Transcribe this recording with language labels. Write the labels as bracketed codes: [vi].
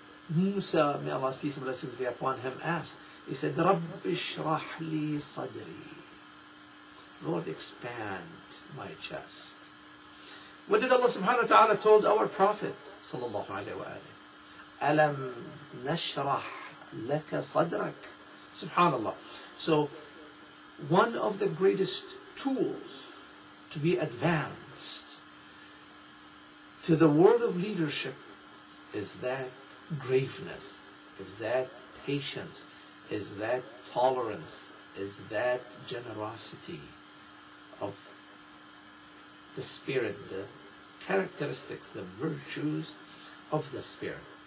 [en] Musa, may Allah's peace and blessings be upon him, asked. He said, [ar] رَبِّ اشْرَحْ لِي صَدْرِي. [en] Lord, expand my chest. What did Allah subhanahu wa ta'ala told our Prophet, [ar] sallallahu alayhi wa alayhi? أَلَمْ نَشْرَحْ لَكَ صَدْرَكَ. SubhanAllah. [en] So, one of the greatest tools to be advanced to the world of leadership is that graveness, is that patience, is that tolerance, is that generosity of the spirit, the characteristics, the virtues of the spirit.